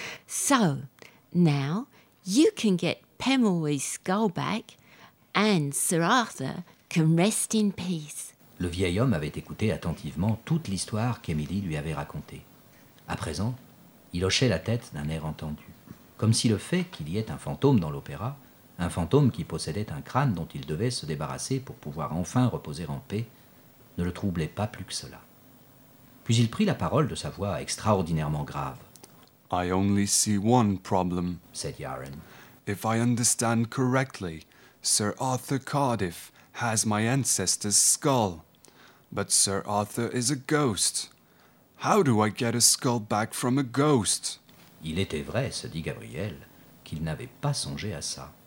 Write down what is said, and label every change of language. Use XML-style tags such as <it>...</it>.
<en>So, now you can get Pemulwuy's skull back and Sir Arthur can rest in peace.</en> <fr>Le vieil homme avait écouté attentivement toute l'histoire qu'Emily lui avait racontée. À présent, il hochait la tête d'un air entendu, comme si le fait qu'il y ait un fantôme dans l'opéra, un fantôme qui possédait un crâne dont il devait se débarrasser pour pouvoir enfin reposer en paix, ne le troublait pas plus que cela. Puis il prit la parole de sa voix extraordinairement grave.</fr> <en>I only see one problem, said Yaren. If I understand correctly, Sir Arthur Cardiff has my ancestor's skull. But Sir Arthur is a ghost. How do I get a skull back from a ghost?</en> <fr>Il était vrai, se dit Gabriel, qu'il n'avait pas songé à ça.</fr>